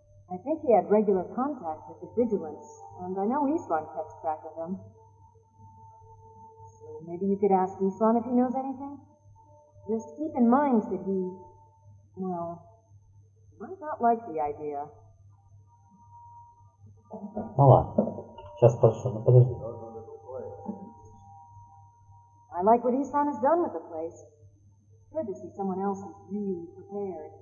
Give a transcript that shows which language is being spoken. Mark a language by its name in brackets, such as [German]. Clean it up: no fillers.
[English] I think he had regular contact with the Vigilance, and I know Isran kept track of him. Maybe you could ask Ethan if he knows anything. Just keep in mind that he, well, might not like the idea. [Russian] Ну ладно, сейчас спрошу, ну подожди. [English] I like what Ethan has done with the place. Good to see someone else is really prepared.